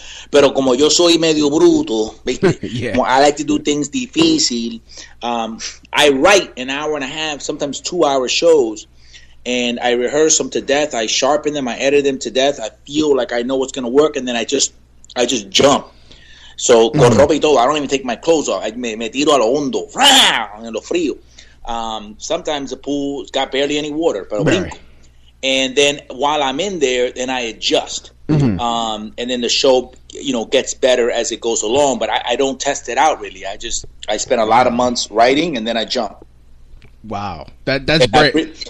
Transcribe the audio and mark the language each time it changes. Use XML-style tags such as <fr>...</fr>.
<es>Pero como yo soy medio bruto,</es> <en>I like to do things</en> <es>difícil.</es> <en>I write an hour and a half, sometimes 2 hour shows, and I rehearse them to death. I sharpen them. I edit them to death. I feel like I know what's going to work, and then I just jump. So,</en> <es>con ropa y todo,</es> <en>I don't even take my clothes off.</en> <es>Me tiro a lo hondo, en lo frío.</es> <en>Sometimes the pool's got barely any water,</en> <es>pero brinco.</es> <en>And then while I'm in there, then I adjust. Mm-hmm. And then the show, you know, gets better as it goes along. But I don't test it out, really. I spend a lot of months writing, and then I jump. Wow. That's brave.</en>